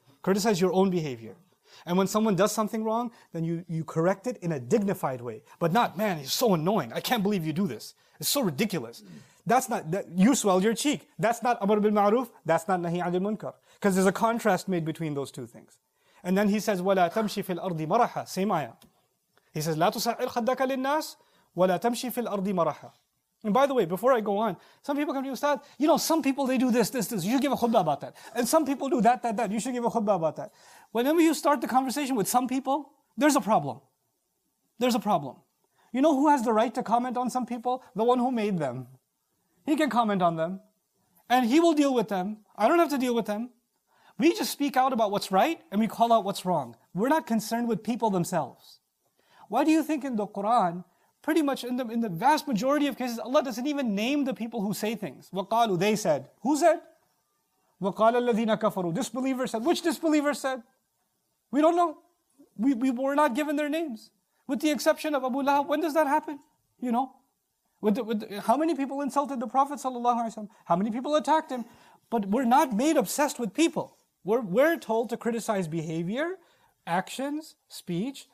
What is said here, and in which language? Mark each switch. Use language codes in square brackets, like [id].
[en] Criticize your own behavior. And when someone does something wrong, then you correct it in a dignified way. But not, man, it's so annoying. I can't believe you do this. It's so ridiculous. That's not, that, you swelled your cheek. That's not Amr bin Ma'ruf. That's not Nahi anil Munkar. Because there's a contrast made between those two things. And then he says, [ar] وَلَا تَمْشِي فِي الْأَرْضِ مَرَحًا. [en] Same ayah. He says, [ar] لَا تُسَعِرْ خَدَّكَ لِلنَّاسِ وَلَا تَمْشِي فِي الْأَرْضِ مَرَحًا. [en] And by the way, before I go on, some people come to you, Ustaz, you know, some people, they do this. You should give a khutbah about that. And some people do that. You should give a khutbah about that. Whenever you start the conversation with some people, there's a problem. There's a problem. You know who has the right to comment on some people? The one who made them. He can comment on them. And he will deal with them. I don't have to deal with them. We just speak out about what's right, and we call out what's wrong. We're not concerned with people themselves. Why do you think in the Quran, pretty much in the vast majority of cases, Allah doesn't even name the people who say things? وَقَالُوا, they said. Who said? [ar] وَقَالَ الَّذِينَ كَفَرُوا, [en] disbeliever said. Which disbeliever said? We don't know. We were not given their names. With the exception of Abu Lahab, when does that happen? You know? How many people insulted the Prophet ﷺ? How many people attacked him? But we're not made obsessed with people. We're told to criticize behavior, actions, speech.